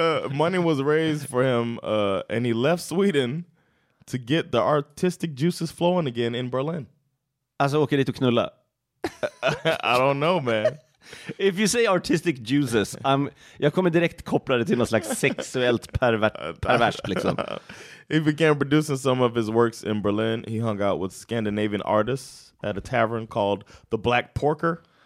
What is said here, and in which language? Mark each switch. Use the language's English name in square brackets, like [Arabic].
[English] Money was raised for him, and he left Sweden to get the artistic juices flowing again in Berlin. [Swedish] Alltså åker dit och knulla. [English] I don't know, man. If you say artistic juices, [Swedish] jag kommer direkt koppla det till något slags sexuellt perverst liksom. [English] He began producing some of his works in Berlin. He hung out with Scandinavian artists at a tavern called The Black Porker.